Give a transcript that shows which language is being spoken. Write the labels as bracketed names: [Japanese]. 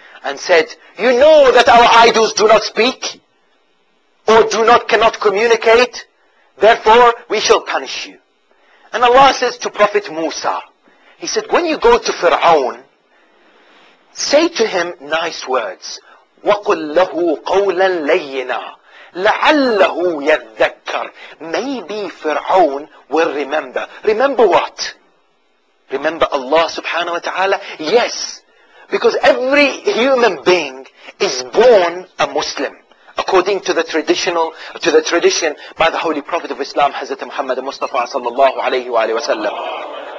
[English] and said, "You know that our idols do not speak or do not cannot communicate, therefore we shall punish you." And Allah says to Prophet Musa, He said, "When you go to Fir'aun, say to him nice words. [Arabic] وَقُلْ لَهُ قَوْلًا لَيِّنًا لَعَلَّهُ يَذَّكَّرْ [English] Maybe Fir'aun will remember. Remember what? Remember Allah subhanahu wa ta'ala? Yes. Because every human being is born a Muslim. According to the traditional, to the tradition by the Holy Prophet of Islam, Hazrat Muhammad Mustafa sallallahu alayhi wa sallam.